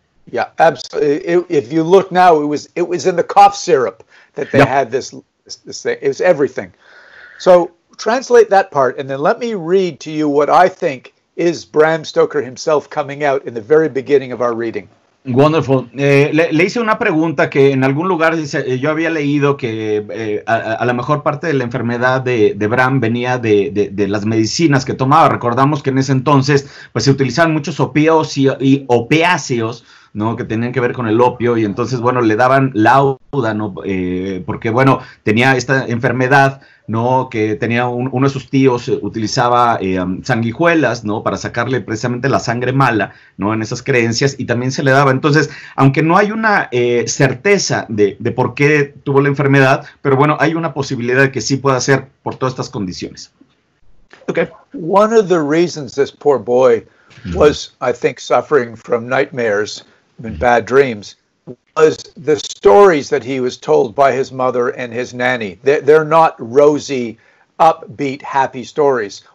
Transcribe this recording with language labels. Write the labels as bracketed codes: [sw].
[en] Yeah, absolutely. If you look now, it was in the cough syrup that they yep. had this thing. It was everything. So translate that part, and then let me read to you what I think is Bram Stoker himself coming out in the very beginning of our reading. Wonderful. [es] Le hice una pregunta que en algún lugar dice, yo había leído que a la mejor parte de la enfermedad de Bram venía de las medicinas que tomaba. Recordamos que en ese entonces pues se utilizaban muchos opiáceos y opiáceos, ¿no? Que tenían que ver con el opio y entonces, bueno, le daban laudano, porque, bueno, tenía esta enfermedad, ¿no? Que tenía uno de sus tíos utilizaba sanguijuelas, ¿no? Para sacarle precisamente la sangre mala, ¿no? En esas creencias y también se le daba. Entonces, aunque no hay una certeza de por qué tuvo la enfermedad, pero bueno, hay una posibilidad de que sí pueda ser por todas estas condiciones. [en] Okay. One of the reasons this poor boy was, I think, suffering from nightmares and bad dreams was the stories that he was told by his mother and his nanny. They're not rosy, upbeat, happy stories.